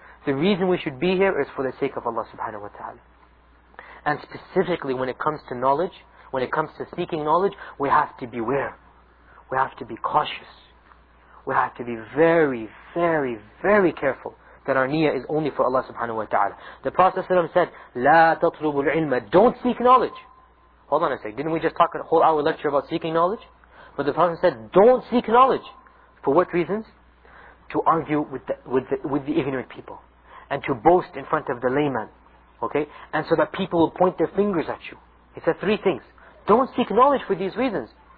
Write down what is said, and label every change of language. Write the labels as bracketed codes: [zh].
[en] The reason we should be here is for the sake of Allah subhanahu wa ta'ala. And specifically when it comes to knowledge, when it comes to seeking knowledge, we have to beware. We have to be cautious. We have to be very, very, very careful that our niyyah is only for Allah subhanahu wa ta'ala. The Prophet ﷺ said, [ar] لا تطلب العلم. [en] Don't seek knowledge. Hold on a sec. Didn't we just talk a whole hour lecture about seeking knowledge? But the Prophet said, don't seek knowledge. For what reasons? To argue with the ignorant people. And to boast in front of the layman. Okay? And so that people will point their fingers at you. He said three things. Don't seek knowledge for these reasons.